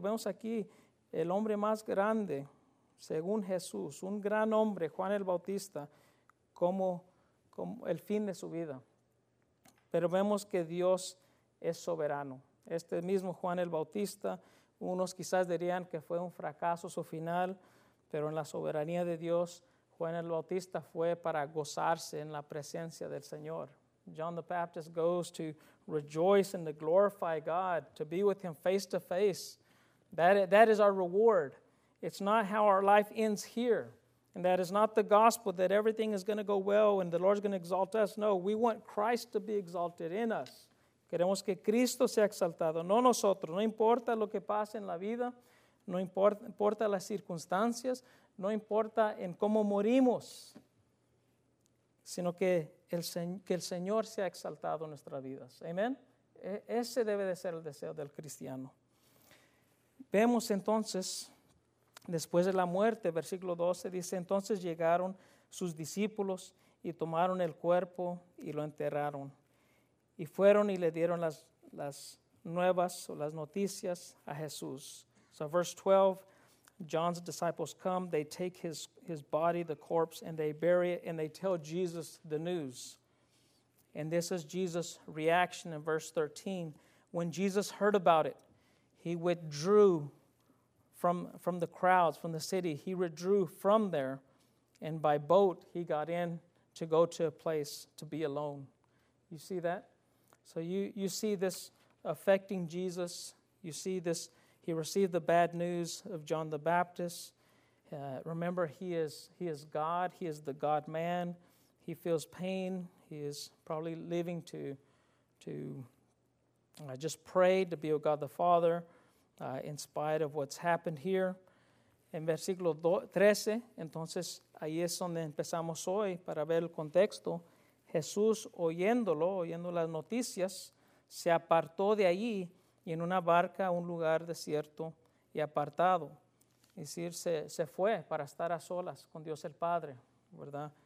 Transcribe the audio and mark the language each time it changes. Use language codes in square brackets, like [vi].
[es] Vemos aquí el hombre más grande, según Jesús, un gran hombre, Juan el Bautista, como el fin de su vida. Pero vemos que Dios es soberano. Este mismo Juan el Bautista, unos quizás dirían que fue un fracaso su final, pero en la soberanía de Dios, Juan el Bautista fue para gozarse en la presencia del Señor. [en] John the Baptist goes to rejoice and to glorify God, to be with Him face to face. That is our reward. It's not how our life ends here. And that is not the gospel that everything is going to go well and the Lord is going to exalt us. No, we want Christ to be exalted in us. [es] Queremos que Cristo sea exaltado, no nosotros. No importa lo que pase en la vida, no importa las circunstancias, no importa en cómo morimos, sino que el Señor sea exaltado en nuestras vidas. Amén. Ese debe de ser el deseo del cristiano. Vemos entonces, después de la muerte, versículo 12, dice, entonces llegaron sus discípulos y tomaron el cuerpo y lo enterraron. Y fueron y le dieron las nuevas o las noticias a Jesús. [en] So verse 12, John's disciples come, they take his body, the corpse, and they bury it, and they tell Jesus the news. And this is Jesus' reaction in verse 13. When Jesus heard about it, he withdrew from the crowds, from the city. He withdrew from there, and by boat he got in to go to a place to be alone. You see that? So you see this affecting Jesus. You see this. He received the bad news of John the Baptist. Remember, he is God. He is the God-man. He feels pain. He is probably living to just pray to be with God the Father in spite of what's happened here. [es] En versículo 13, entonces ahí es donde empezamos hoy para ver el contexto. Jesús, oyendo las noticias, se apartó de allí y en una barca a un lugar desierto y apartado. Es decir, se fue para estar a solas con Dios el Padre, ¿verdad?